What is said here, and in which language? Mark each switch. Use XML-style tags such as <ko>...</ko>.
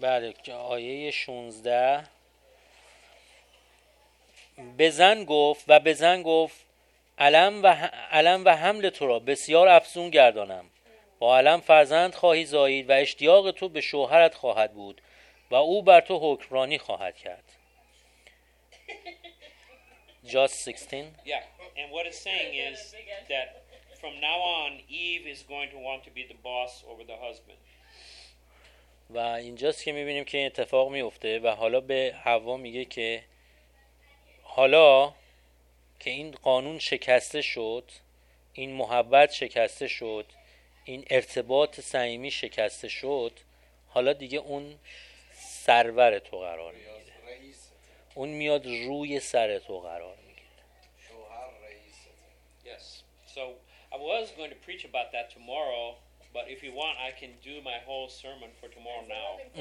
<fa>بله آیه 16 بزن گفت و بزن گفت علم و حمل تو را بسیار افزون گردانم با علم فرزند خواهی زایید و اشتیاق تو به شوهرت خواهد بود و او بر تو حکمرانی خواهد کرد.</fa> <en>just 16 yeah and what it's saying is that from now on Eve is going to want to be the boss over the husband.</en> <fa>و اینجاست که می‌بینیم که این اتفاق می‌افته و حالا به حوا میگه که حالا که این قانون شکسته شد، این محبت شکسته شد، این ارتباط صمیمی شکسته شد، حالا دیگه اون سرور تو قرار میگیره. اون میاد روی سر تو قرار میگیره. شوهر رئیس.</fa> <en>Yes. So I was going to preach about that tomorrow, but if you want, I can do my whole sermon for tomorrow now.</en>